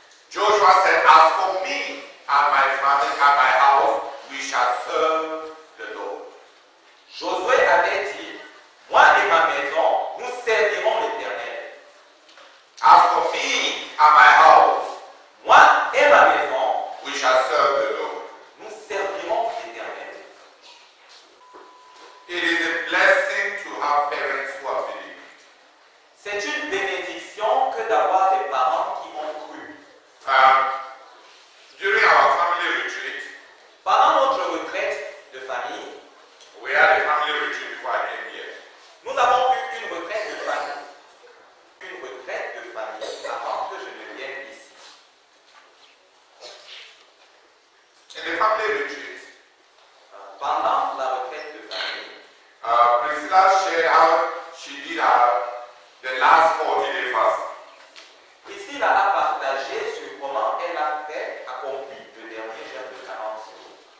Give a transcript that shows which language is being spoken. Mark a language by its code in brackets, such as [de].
[en] Joshua said, as for me and my family and my house, we shall serve the Lord. [fr] Josué avait dit, moi et ma maison, nous servirons l'Éternel. [en] As for me and my house, [fr] moi et ma maison, [en] we shall serve the Lord. [fr] Nous servirons l'Éternel. [en] It is a blessing to have parents who have believed. [fr] C'est une bénédiction que d'avoir des parents qui ont cru. [en] During our family retreat, [fr] pendant notre retraite de famille, [en] we had a family retreat before I came here. [fr] Nous avons eu une retraite de famille. Une retraite de famille avant que je ne vienne ici. [en] In the family retreat, [fr] pendant la retraite de famille, [en] Priscilla shared how she did her the last 40 day fast. [fr] Priscilla a partagé sur comment elle a fait accompli le dernier jour de 40 jours.